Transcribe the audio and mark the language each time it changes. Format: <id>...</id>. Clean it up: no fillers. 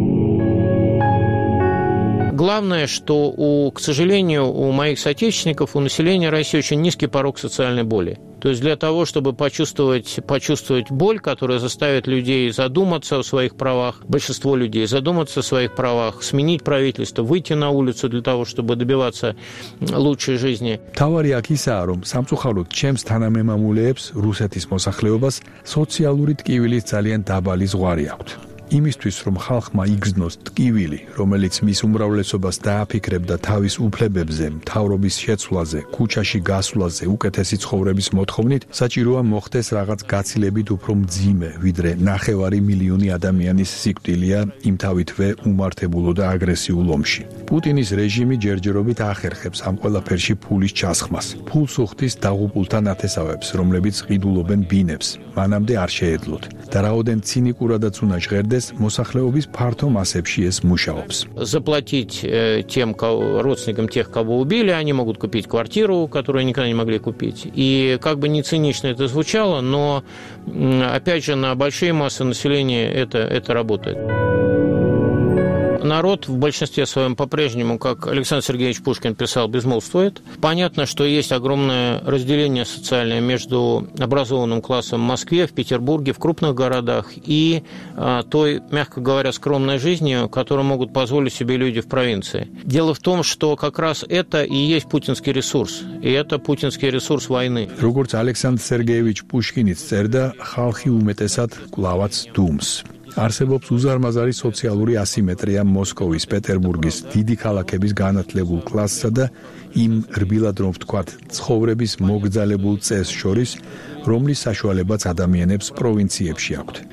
<ru>Главное, что к сожалению, у моих соотечественников, у населения России очень низкий порог социальной боли. То есть для того, чтобы почувствовать боль, которая заставит людей задуматься о своих правах, большинство людей задуматься о своих правах, сменить правительство, выйти на улицу для того, чтобы добиваться лучшей жизни.</ru> <ka>Товари акисаром, самцухалот, чемс танамемамулеებს რუსეთის მოსახლეობას, სოციალური ტკივილის ძალიან დაბალი ზღვარი აქვთ. იმისთვის, რომ ხალხმა იგრძნოს ტკივილი, რომელიც მის უმრავლესობას დააფიქრებდა თავის უფლებებზე, მთავრობის შეცვლაზე, ქუჩაში გასვლაზე, უკეთესი ცხოვრების მოთხოვნით, საჭიროა მოხდეს რაღაც გაცილებით უფრო მძიმე, ვიდრე 900 მილიონი ადამიანის სიკვდილია იმ თავითვე უმართებულო და აგრესიულ ომში. პუტინის რეჟიმი ჯერჯერობით ახერხებს ამ ყველაფერში ფულის ჩასხმას. ფულს უხდის დაღუპულთან ათესავებს, რომლებიც ყიდულობენ ბინებს, მანამდე არ შეედლოთ. და რაოდენ ცინიკურადაც უნდა ჟღერდეს, მოსახლეობის ფართო მასებში ეს მუშაობს.</ka> <ru>Заплатить тем родственникам тех, кого убили, они могут купить квартиру, которую никогда не могли купить. И как бы не цинично это звучало, но опять же на большие массы населения это работает. Народ в большинстве своем по-прежнему, как Александр Сергеевич Пушкин писал, безмолвствует. Понятно, что есть огромное разделение социальное между образованным классом в Москве, в Петербурге, в крупных городах и той, мягко говоря, скромной жизнью, которую могут позволить себе люди в провинции. Дело в том, что как раз это и есть путинский ресурс. И это путинский ресурс войны.</ru> <ka>Როგორც Александр Сергеевич Пушкин წერდა, ხალხი უმეტესად კლავაც დუმს. Арсебопс узармазари социальный асиметрия Московის, Петербургის, დიდი ქალაქების განათლებულ კლასსა და იმ რბილად რომ ვთქვათ, ცხოვრების მოგძალებულ წესს შორის, რომლის საშუალებაც ადამიანებს პროვინციებში აქვთ.</ka>